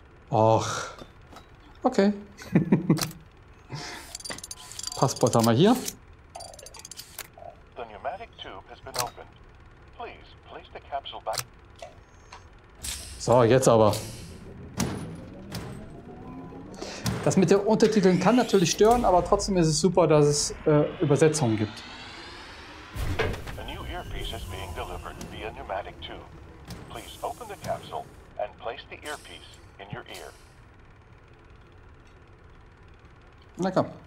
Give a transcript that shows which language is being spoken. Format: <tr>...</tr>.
<de>Och. Okay. Passport haben wir hier.</de> <en>The pneumatic tube has been opened. Please place the capsule back.</en> <de>So, jetzt aber. Das mit den Untertiteln kann natürlich stören, aber trotzdem ist es super, dass es Übersetzungen gibt.</de> <en>A new earpiece is being delivered via pneumatic tube. Please open the capsule and place the earpiece in your ear.</en> <de>Na komm.</de>